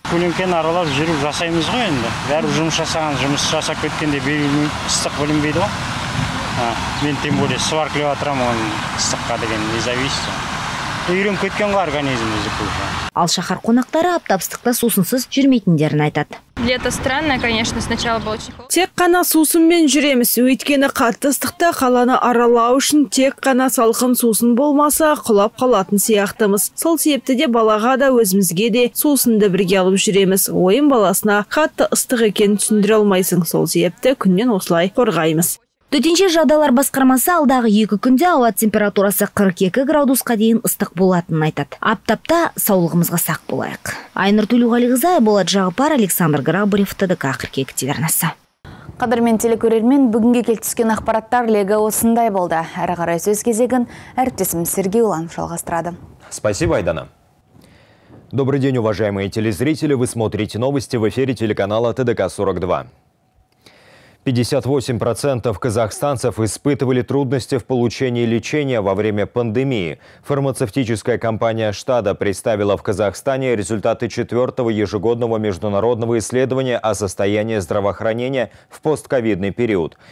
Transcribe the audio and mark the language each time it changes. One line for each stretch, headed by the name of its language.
Kazakh: Көлеңкені аралап жүру жасаймыз ғой енді. Бәрі жұмыс жасаған жұмыс жасап кеткенде белгілі ыстық білінбейді ғой. Мен
Russian: тем более
Kazakh: сварклеп отырамын ыстыққа деген независимо. Үйреніп кеткен ғой организмімізді бұл. Ал шаһар қонақтары аптап ыстықта сусынсыз жүрмейтіндерін айтады.
Russian: Лето странное, конечно, сначала было тепло.
Kazakh: Тек қана сусынмен жүреміз. Өйткені қатты ыстықта қаланы аралау үшін тек қана салқын сусын болмаса, құлап қалатын сияқтымыз. Сол себепті де балаға да өзімізге де сусынды бірге алып жүреміз. Ойын баласына қатты ыстық екенін түсіндіре алмайсың. Сол себепті күннен осылай қорғаймыз. Төтенше жағдайлар басқармасы алдағы 2 күнде ауа температурасы 42 градусқа дейін ыстық болатынын айтады. Аптапта саулығымызға сақ болайық. Айнұр Төлеуғалиқызы, Айболат Жағыпар, Александр Грабарев, ТДК 42 телеарнасы. Қадірмен телекөрермен, бүгінге келтіскен ақпараттар легі осындай болды. Әрі қарай сөз кезегін әріптесім Сергей Уланов жалғастырады.
Russian: Спасибо, Айдана. Добрый день, уважаемые телезрители. Вы смотрите новости в эфире телеканала ТДК 42. 58% казахстанцев испытывали трудности в получении лечения во время пандемии. Фармацевтическая компания «Штада» представила в Казахстане результаты 4-го ежегодного международного исследования о состоянии здравоохранения в постковидный период.